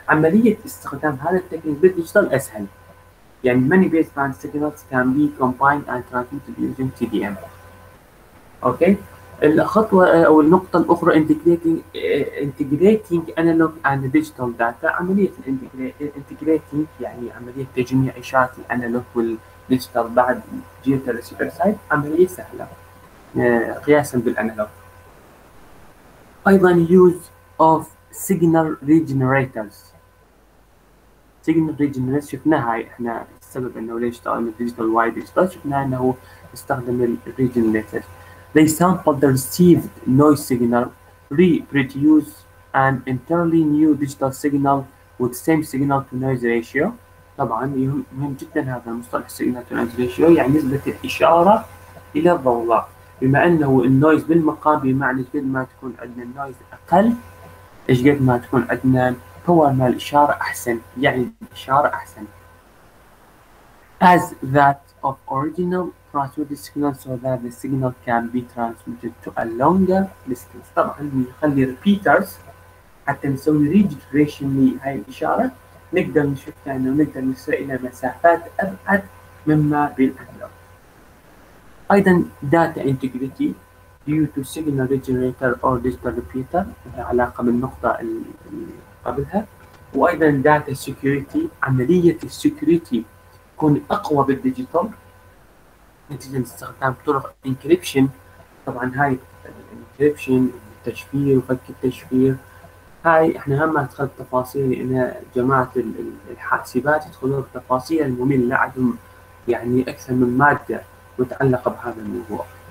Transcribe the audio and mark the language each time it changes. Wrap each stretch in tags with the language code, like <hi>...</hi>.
<ar>عملية استخدام هذا التكنيك بالديجيتال أسهل.</ar> <en>يعني many baseband signals can be combined and transmitted using TDM. Okay.</en> <ar>الخطوة أو النقطة الأخرى</ar> <en>integrating analog and digital data.</en> <ar>عملية integrating يعني عملية تجميع إشارات الأنالوج والديجيتال بعد جهة الريسيفر سايد، عملية سهلة قياسا بالانالوج.</ar> <en>ايضا use of signal regenerators.</en> <ar>signal regenerators شفنا هاي احنا السبب انه ليش استخدم الديجيتال وايد ديجيتال، شفنا انه استخدم الريجنريتر.</ar> <en>they sample the received noise signal, reproduce an entirely new digital signal with same signal to noise ratio.</en> <ar>طبعا مهم جدا هذا المصطلح signal to noise ratio، يعني نسبة الاشارة الى الضوضاء. بما انه النويز بالمقام بمعنى ايش قد ما تكون عندنا النويز اقل، ايش قد ما تكون عندنا باور مال الاشاره احسن، يعني الاشاره احسن.</ar> <en>As that of original transmitted signal so that the signal can be transmitted to a longer distance.</en> <ar>طبعا بيخلي repeaters حتى نسوي regeneration لهي الإشارة نقدر نشوفها إنه نقدر نسوي إلى مسافات أبعد مما بالأنالوج.</ar> <en>أيضا data integrity due to signal regenerator or digital repeater</en> <ar>علاقة بالنقطة اللي قبلها. وأيضا data security عملية السكيورتي تكون أقوى بالديجيتال نتيجة استخدام طرق encryption. طبعا هاي encryption التشفير وفك التشفير هاي احنا هم ما ندخل التفاصيل لأن جماعة الحاسبات يدخلون التفاصيل المملة عندهم يعني أكثر من مادة متعلقة بهذا الموضوع.</ar>